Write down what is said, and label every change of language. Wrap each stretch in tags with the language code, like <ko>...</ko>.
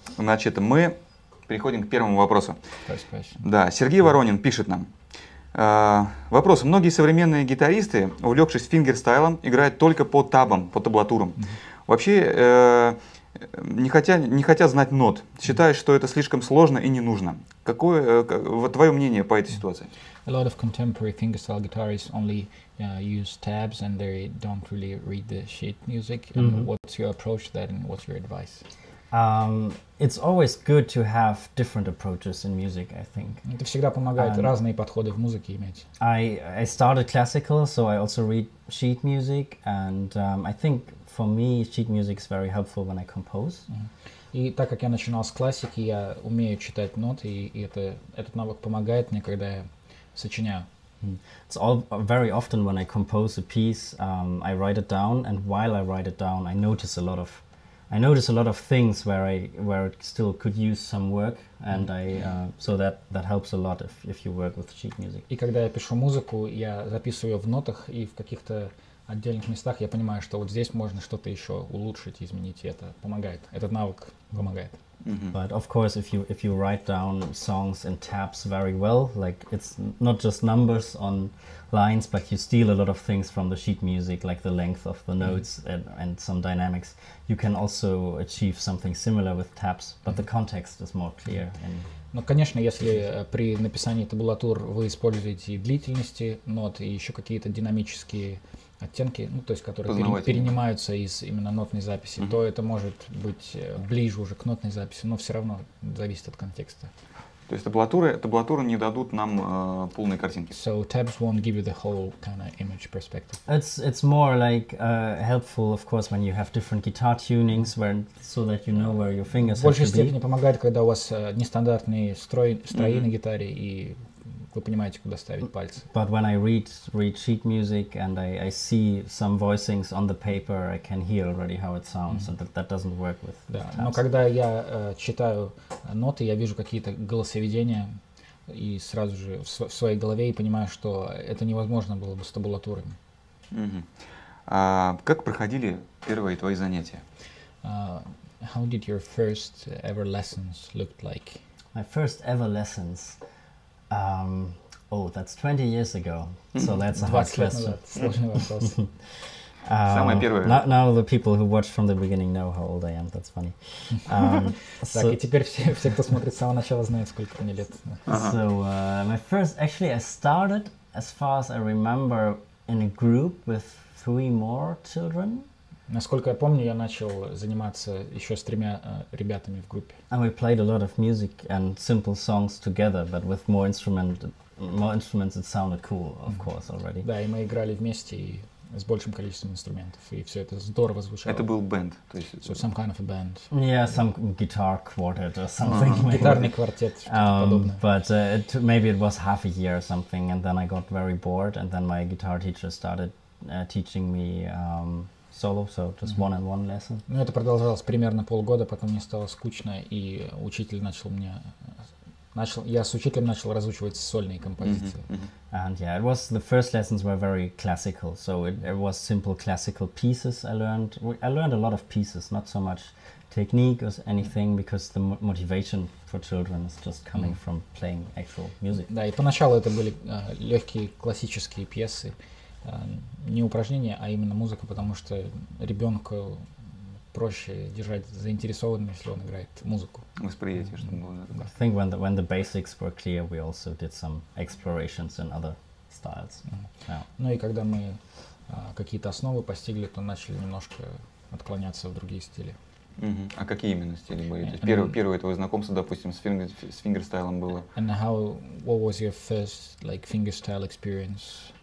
<ru>Значит, мы переходим к первому вопросу. Да, Сергей Воронин пишет нам. Вопрос. Многие современные гитаристы, увлекшись фингерстайлом, играют только по табам, по таблатурам. Mm-hmm. Вообще не хотят знать нот. Считают, mm-hmm. что это слишком сложно и не нужно. Какое твое мнение по этой mm-hmm. ситуации?</ru> <en>A lot of contemporary fingerstyle guitarists only use tabs and they don't really read the sheet music. Mm-hmm. What's your approach to that and what's your advice? It's always good to have different approaches in music, I think.</en> <ru>Это всегда помогает разные подходы в музыке иметь.</ru> <en>I started classical, so I also read sheet music, and I think for me sheet music is very helpful when I compose.</en> <ru>И так как я начинал с классики, я умею читать ноты, и этот навык помогает мне, когда я сочиняю.</ru> <en>It's all very often when I compose a piece, I write it down, and while I write it down, I notice a lot of things where I still could use some work, and I so that helps a lot if you work with sheet music.</en> <ru>И когда я пишу музыку, я записываю ее в нотах, и в каких-то отдельных местах я понимаю, что вот здесь можно что-то еще улучшить, изменить, и это помогает. Этот навык помогает. Mm-hmm.</ru> <en>But of course, if you write down songs in tabs very well, like it's not just numbers on lines, but you steal a lot of things from the sheet music, like the length of the notes mm-hmm. and some dynamics. You can also achieve something similar with tabs, but mm-hmm. the context is more clear.</en> <ru>Ну, конечно, если при написании табулатур вы используете длительности нот и еще какие-то динамические оттенки, ну, то есть, которые перенимаются из именно нотной записи, mm-hmm. то это может быть ближе уже к нотной записи, но все равно зависит от контекста. То есть таблатуры не дадут нам полной картинки.</ru> <en>So tabs won't give you the whole kind of image perspective. It's more like helpful, of course, when you have different guitar tunings, so that you know where your fingers have to be.</en> <ru>В большей степени помогает, когда у вас нестандартные строи mm-hmm. на гитаре, и вы понимаете, куда ставить пальцы.</ru> <en>But when I read sheet music and I see some voicings on the paper, I can hear already how it sounds, mm-hmm. and that doesn't work with.</en> <ru>Да, но когда я читаю ноты, я вижу какие-то голосоведения и сразу же в своей голове и понимаю, что это невозможно было бы с табулатурами. А как проходили первые твои занятия?</ru> <en>How did your first ever lessons look like? My first ever lessons. That's 20 years ago. So that's a hard question.</en> <ru>Самое первое.</ru> <en>Now the people who watched from the beginning know how old I am. That's funny.</en> <ru>Так, и теперь все, кто смотрит с самого начала, знают, сколько мне лет.</ru> <en>So my first, actually, I started, as far as I remember, in a group with three more children.</en> <ru>Насколько я помню, я начал заниматься еще с тремя ребятами в группе.</ru> <en>And we played a lot of music and simple songs together, but with more instruments it sounded cool, of mm-hmm. course, already.</en> <ru>Да, и мы играли вместе и с большим количеством инструментов, и все это здорово звучало. Это был бэнд, то есть...</ru> <en>So, some kind of a band. Yeah, some guitar quartet or something. Uh-huh.</en> <ru>Гитарный квартет, что-то подобное.</ru> <en>But maybe it was half a year or something, and then I got very bored, and then my guitar teacher started teaching me... solo, so just mm-hmm. one-on-one lesson.</en> <ru>Ну, это продолжалось примерно полгода, потом мне стало скучно, и учитель начал разучивать сольные композиции. Mm-hmm. Mm-hmm.</ru> <en>And yeah, it was the first lessons were very classical, so it was simple classical pieces I learned. I learned a lot of pieces, not so much technique or anything, because the motivation for children is just coming mm-hmm. from playing actual music.</en> <ru>Да, и поначалу это были легкие классические пьесы. Не упражнения, а именно музыка, потому что ребенку проще держать заинтересованным, если он играет музыку. Восприятие, чтобы было.</ru> <en>I think when the basics were clear, we also did some explorations in other styles. Mm-hmm. Yeah.</en> <ru>Ну и когда мы какие-то основы постигли, то начали немножко отклоняться в другие стили. Mm-hmm. А какие именно стили были? То есть первое твое знакомство, допустим, с фингерстайлом было?</ru> <en>And what was your first like fingerstyle experience?</en>